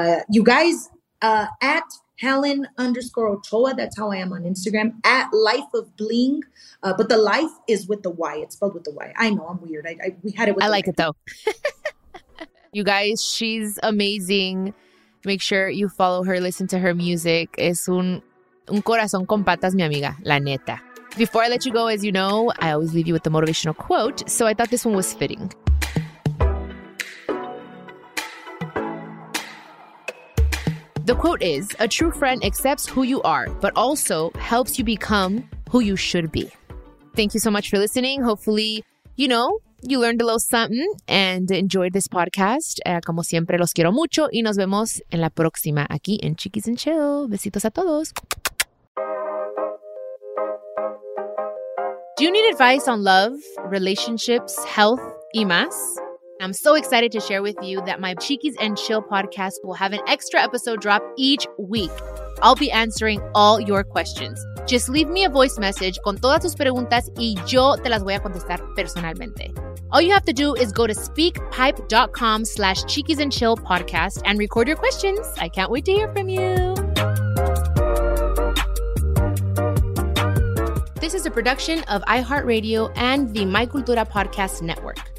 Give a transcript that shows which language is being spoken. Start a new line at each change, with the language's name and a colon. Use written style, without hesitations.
English: You guys, at Helen_Ochoa, that's how I am on Instagram, at Life of Bling. But the life is with the Y. It's spelled with the Y. I know, I'm weird. We had it with I the like Y. It though. You guys, she's amazing. Make sure you follow her, listen to her music.
Spanish: Es un corazón con patas, mi amiga, la neta.
English: Before I let you go, as you know, I always leave you with the motivational quote. So I thought this one was fitting. The quote is, "A true friend accepts who you are, but also helps you become who you should be." Thank you so much for listening. Hopefully, you know, you learned a little something and enjoyed this podcast.
Spanish: Como siempre, los quiero mucho y nos vemos en la próxima aquí en Chiquis and Chill. Besitos a todos.
English: Do you need advice on love, relationships, health,
Spanish: y más?
English: I'm so excited to share with you that my Chiquis and Chill podcast will have an extra episode drop each week. I'll be answering all your questions. Just leave me a voice message
Spanish: con todas tus preguntas y yo te las voy a contestar personalmente.
English: All you have to do is go to speakpipe.com/cheekiesandchillpodcast and record your questions. I can't wait to hear from you. This is a production of iHeartRadio and the My Cultura Podcast Network.